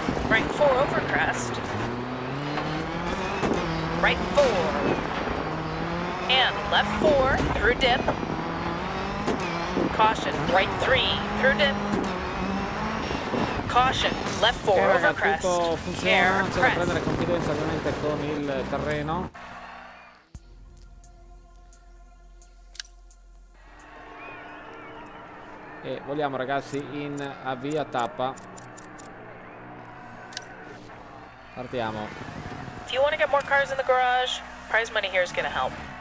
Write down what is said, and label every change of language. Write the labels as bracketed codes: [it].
[en] Right 4 over crest. Right 4. And left 4 through dip. Caution, right 3, through dip. Caution, left 4, okay, over crest. [it] Funziona, c'è da prendere confidenza ovviamente con il terreno. E vogliamo, ragazzi, in avvia tappa. Partiamo. [en] If you want to get more cars in the garage, prize money here is going to help.